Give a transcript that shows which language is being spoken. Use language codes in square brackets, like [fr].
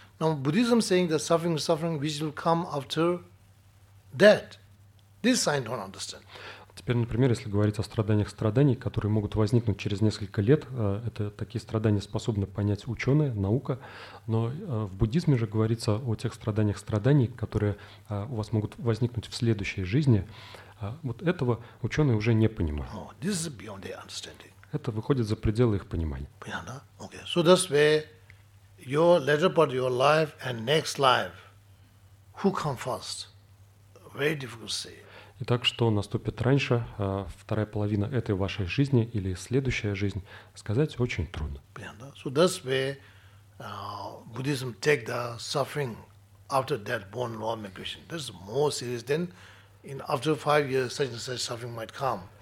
[en] Now Buddhism saying that suffering or suffering, which will come after death, this science don't understand. [ru] Теперь, например, если говорить о страданиях страданий, которые могут возникнуть через несколько лет, это такие страдания способны понять ученые, наука. Но в буддизме же говорится о тех страданиях страданий, которые у вас могут возникнуть в следующей жизни. Вот этого ученые уже не понимают. [en] Oh, this is beyond their understanding. [ru] Это выходит за пределы их понимания. Понятно? Okay. [en] So that's where your later part of your life and next life, who come first? Very difficult to say. [ru] Итак, что наступит раньше, вторая половина этой вашей жизни или следующая жизнь, сказать очень трудно. Понятно. [en] So that's where Buddhism take the suffering after death born law migration. That's more serious than in after five years such and such suffering might come.